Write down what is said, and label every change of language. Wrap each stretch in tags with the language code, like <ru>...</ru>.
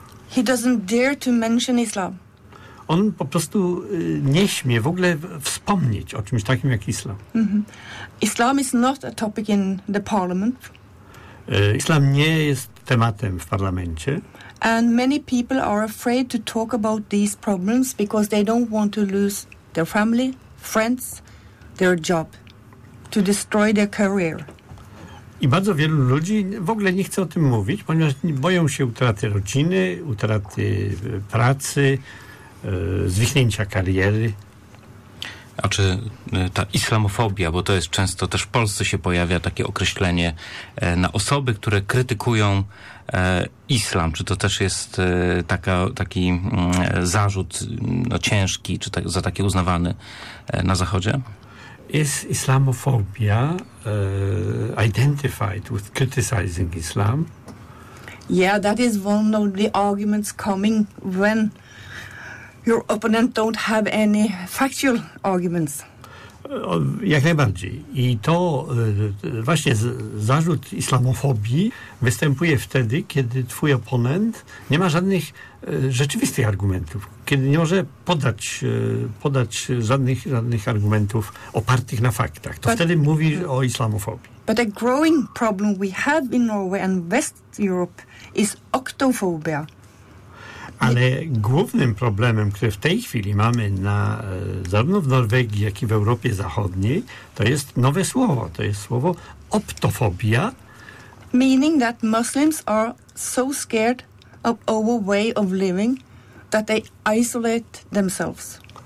<en>He doesn't dare to mention Islam.</en> <pl>On po prostu nie śmie w ogóle wspomnieć o czymś takim jak islam. Mm-hmm.</pl> <en>Islam is not a topic in the parliament.</en> <pl>Islam nie jest tematem w parlamencie.</pl> <en>And many people are afraid to talk about these problems because they don't want to lose their family, friends, their job, to destroy their career.</en> <pl>I bardzo wielu ludzi w ogóle nie chce o tym mówić, ponieważ boją się utraty rodziny, utraty pracy, zwichnięcia kariery. A czy ta islamofobia, bo to jest często też w Polsce się pojawia takie określenie na osoby, które krytykują islam, czy to też jest taki zarzut ciężki, czy za taki uznawany na Zachodzie?</pl> <en>Is islamophobia identified with criticizing Islam? Yeah, that is one of the arguments coming when your opponent don't have any factual arguments.</en> <pl>Jak najbardziej. I to właśnie zarzut islamofobii występuje wtedy, kiedy twój oponent nie ma żadnych rzeczywistych argumentów, kiedy nie może podać żadnych argumentów opartych na faktach. To wtedy mówi o islamofobii.</pl> <en>But a growing problem we have in Norway and West Europe is octophobia.</en> <pl>Ale głównym problemem, który w tej chwili mamy zarówno w Norwegii, jak i w Europie Zachodniej, to jest nowe słowo. To jest słowo optofobia.</pl> <en>Meaning that Muslims are so scared of our way of living that they isolate themselves.</en>